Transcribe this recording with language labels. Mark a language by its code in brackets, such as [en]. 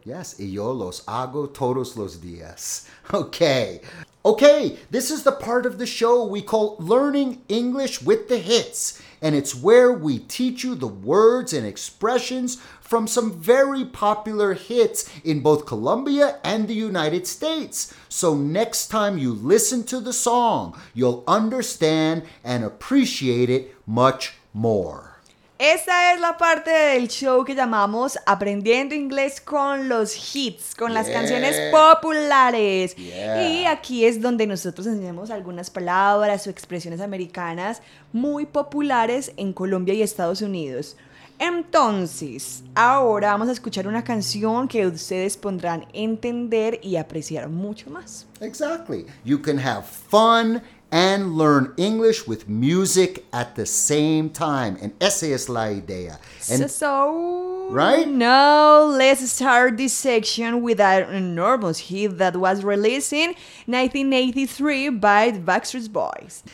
[es] Yes, y yo los hago todos los días. [en] Okay. Okay, this is the part of the show we call Learning English with the Hits. And it's where we teach you the words and expressions from some very popular hits in both Colombia and the United States. So next time you listen to the song, you'll understand and appreciate it much more. [es] Esta es la parte del show que llamamos Aprendiendo Inglés con los Hits, con las canciones populares. [en] Yeah. [es] Y aquí es donde nosotros enseñamos algunas palabras o expresiones americanas muy populares en Colombia y Estados Unidos. Entonces, ahora vamos a escuchar una canción que ustedes podrán entender y apreciar mucho más. [en] Exactly. You can have fun and learn English with music at the same time. [es] And esa es la idea. And [en] so, right? Now, let's start this section with an enormous hit that was released in 1983 by the Backstreet Boys.